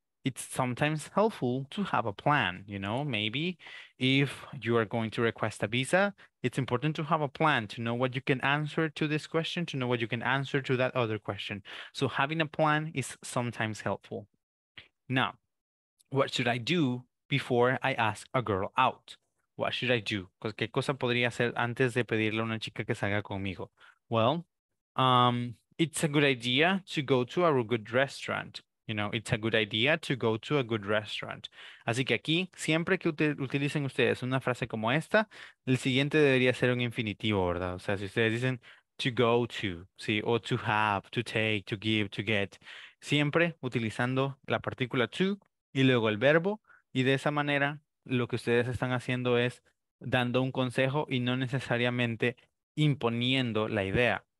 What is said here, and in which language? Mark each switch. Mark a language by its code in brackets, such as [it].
[en] It's sometimes helpful to have a plan, you know, maybe if you are going to request a visa, it's important to have a plan to know what you can answer to this question, to know what you can answer to that other question. So having a plan is sometimes helpful. Now, what should I do before I ask a girl out? What should I do? [es] ¿Qué cosa podría hacer antes de pedirle a una chica que salga conmigo? [en] Well, it's a good idea to go to a good restaurant. You know, it's a good idea to go to a good restaurant. [es] Así que aquí, siempre que utilicen ustedes una frase como esta, el siguiente debería ser un infinitivo, ¿verdad? O sea, si ustedes dicen to go to, ¿sí? O to have, to take, to give, to get. siempre utilizando la partícula to y luego el verbo, y de esa manera lo que ustedes están haciendo es dando un consejo y no necesariamente imponiendo la idea.